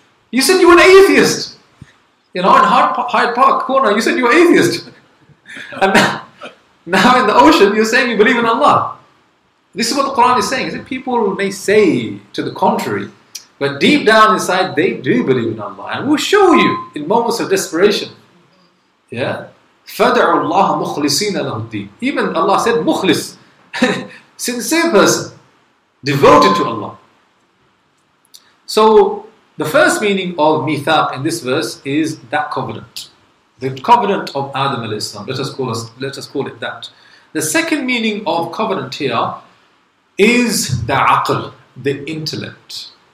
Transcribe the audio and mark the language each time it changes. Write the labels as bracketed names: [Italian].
[English] You said you were an atheist. You know, in Hyde Park Corner, you said you were atheist. And now in the ocean, you're saying you believe in Allah. This is what the Quran is saying. Is people may say to the contrary, but deep down inside, they do believe in Allah. And we'll show you in moments of desperation. Yeah? [Arabic] فَدْعُوا اللَّهَ مُخْلِصِينَ لَهُ الدِّينَ [English] Even Allah said, [Arabic] مُخْلِص. [English] Sincere person, devoted to Allah. So, the first meaning of mithaq in this verse is that covenant. The covenant of Adam alayhi salam. Let us call it that. The second meaning of covenant here is the aql, the intellect.